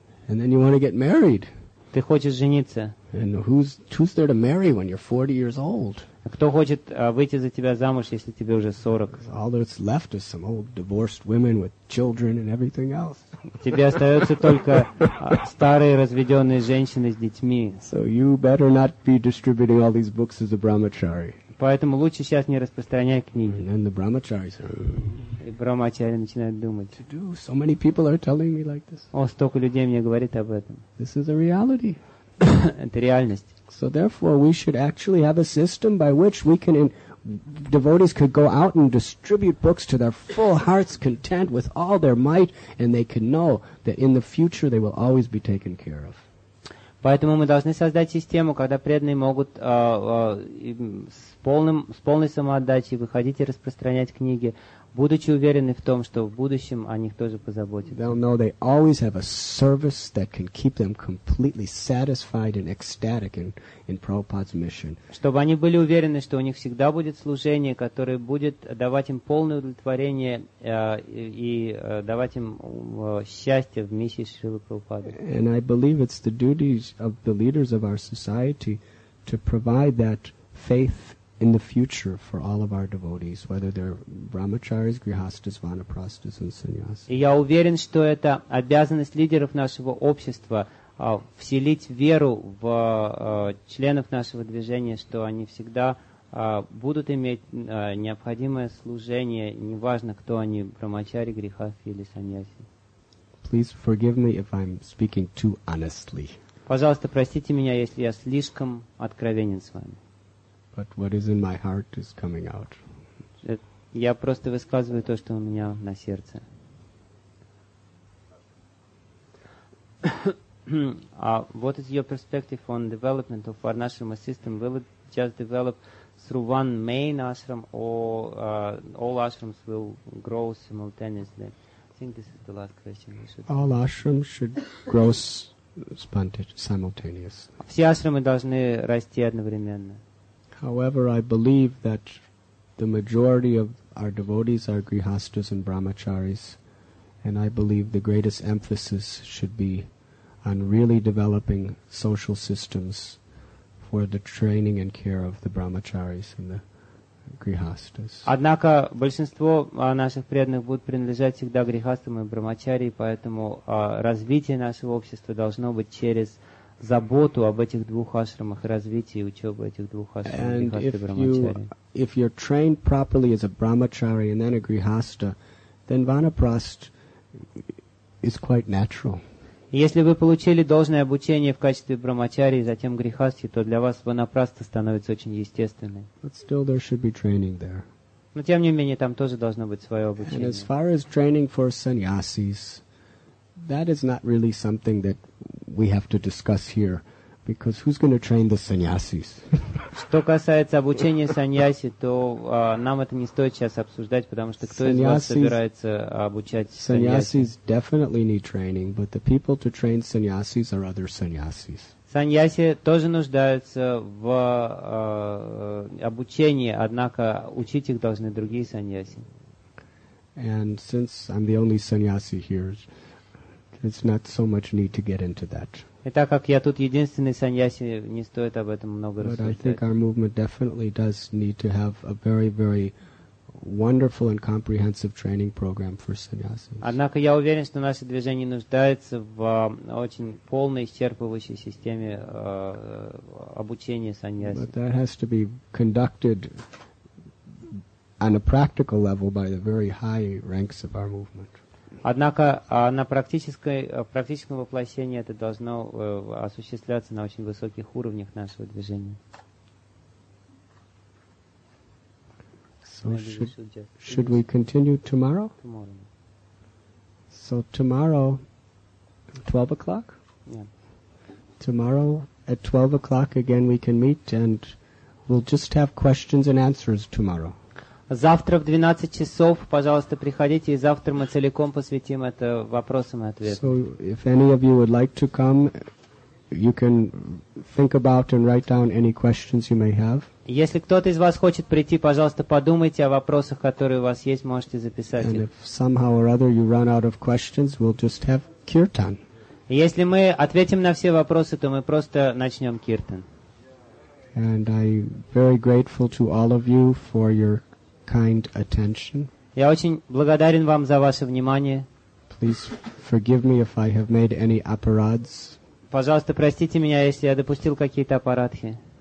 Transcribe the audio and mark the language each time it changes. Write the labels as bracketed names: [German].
[English] And then you want to get married. [Russian] Ты хочешь жениться. [English] And who's there to marry when you're 40 years old? [Russian] Кто хочет выйти за тебя замуж, если тебе уже 40? [English] All that's left is some old divorced women with children and everything else. [Russian] Тебе остаются только старые разведенные женщины с детьми. [English] So you better not be distributing all these books as a brahmachari. [Russian] Поэтому лучше сейчас не распространяй книги. [English] And then the brahmacharis. [Russian] И брахмачари начинают думать. [English] So many people are telling me like this. [Russian] О, столько людей мне говорит об этом. [English] This is a reality. [Russian] Это реальность. [English] So therefore, we should actually have a system by which we can, devotees could go out and distribute books to their full hearts content with all their might, and they can know that in the future they will always be taken care of. [Russian] Поэтому мы должны создать систему, когда преданные могут с полной самоотдачей выходить и распространять книги, будучи уверены в том, что в будущем о них тоже позаботятся. [English] They'll know they always have a service that can keep them completely satisfied and ecstatic in Prabhupada's mission. [Russian] Чтобы они были уверены, что у них всегда будет служение, которое будет давать им полное удовлетворение и давать им счастье в миссии Шрилы Прабхупады. [English] And I believe it's the duties of the leaders of our society to provide that faith in the future for all of our devotees, whether they're brahmacharis, grihastas, vanaprastas, and sannyasis. [Russian] И я уверен, что это обязанность лидеров нашего общества вселить веру в членов нашего движения, что они всегда будут иметь необходимое служение, неважно, кто они, брахмачари, грихасты или саньяси. [English] Please forgive me if I'm speaking too honestly. [Russian] Пожалуйста, простите меня, если я слишком откровенен с вами. [English] But what is in my heart is coming out. [Russian] Я просто высказываю то, что у меня на сердце. [English] What is your perspective on development of our ashrama system? Will it just develop through one main ashram, or all ashrams will grow simultaneously? I think this is the last question. All ashrams should grow simultaneously. [Russian] Все ашрамы должны расти одновременно. [English] However, I believe that the majority of our devotees are grihastas and brahmacharis, and I believe the greatest emphasis should be on really developing social systems for the training and care of the brahmacharis and the grihastas. [Russian] Однако большинство наших преданных будут принадлежать всегда грихастам и брахмачари, поэтому развитие нашего общества должно быть через заботу об этих двух ашрамах, развитие и учебу этих двух ашрамах, [English] and if you're trained properly as a brahmachari and then a grihasta, then vanaprast is quite natural. [Russian] Если вы получили должное обучение в качестве брахмачари и затем грихасти, то для вас ванапраста становится очень естественной. [English] But still there should be training there. [Russian] Но тем не менее там тоже должно быть свое обучение. [English] And as far as training for sannyasis, that is not really something that we have to discuss here, because who's going to train the sannyasis? [Russian] Что касается обучения саньяси, то нам это не стоит сейчас обсуждать, потому что кто из вас собирается обучать саньяси? [English] Sannyasis definitely need training, but the people to train sannyasis are other sannyasis. [Russian] Саньяси тоже нуждаются в обучении, однако учить их должны другие саньяси. [English] And since I'm the only sannyasi here, it's not so much need to get into that. [Russian] И так как я тут единственный саньяси, не стоит об этом много рассуждать. [English] But I think our movement definitely does need to have a very, very wonderful and comprehensive training program for sannyasis. [Russian] Однако я уверен, что наше движение нуждается в очень полной, исчерпывающей системе обучения саньяси. [English] But that has to be conducted on a practical level by the very high ranks of our movement. [Russian] Однако на практическом воплощении это должно осуществляться на очень высоких уровнях нашего движения. [English] So should we continue tomorrow? Tomorrow. So tomorrow, 12 o'clock? Yeah. Tomorrow at 12 o'clock again we can meet and we'll just have questions and answers tomorrow. [Russian] Завтра в 12 часов, пожалуйста, приходите, и завтра мы целиком посвятим это вопросам и ответам. [English] So, if any of you would like to come, you can think about and write down any questions you may have. [Russian] Если кто-то из вас хочет прийти, пожалуйста, подумайте о вопросах, которые у вас есть, можете записать их. [English] And if somehow or other you run out of questions, we'll just have kirtan. [Russian] Если мы ответим на все вопросы, то мы просто начнем киртан. [English] And I'm very grateful to all of you for your kind attention. [Russian] Я очень благодарен вам за ваше внимание. [English] Please forgive me if I have made any apparads. [Russian] Пожалуйста, простите меня, если я допустил какие-то аппаратхи.